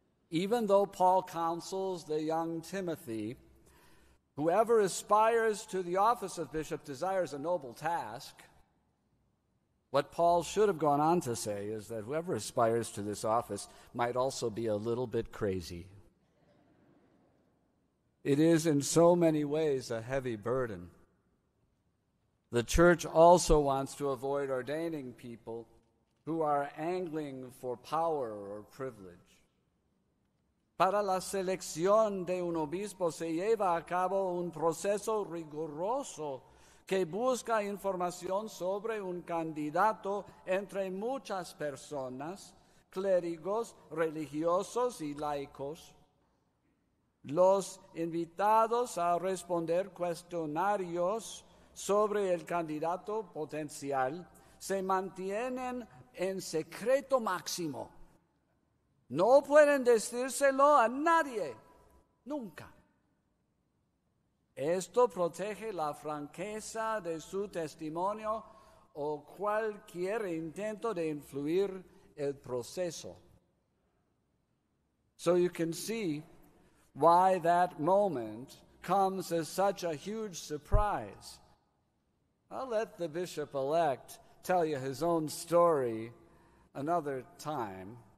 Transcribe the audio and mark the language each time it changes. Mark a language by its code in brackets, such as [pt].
[en] Even though Paul counsels the young Timothy, whoever aspires to the office of bishop desires a noble task, what Paul should have gone on to say is that whoever aspires to this office might also be a little bit crazy. It is in so many ways a heavy burden. The church also wants to avoid ordaining people who are angling for power or privilege. [es] Para la selección de un obispo se lleva a cabo un proceso riguroso que busca información sobre un candidato entre muchas personas, clérigos, religiosos y laicos. Los invitados a responder cuestionarios sobre el candidato potencial se mantienen en secreto máximo. No pueden decírselo a nadie, nunca. Esto protege la franqueza de su testimonio o cualquier intento de influir el proceso. [en] So you can see why that moment comes as such a huge surprise. I'll let the bishop-elect tell you his own story another time.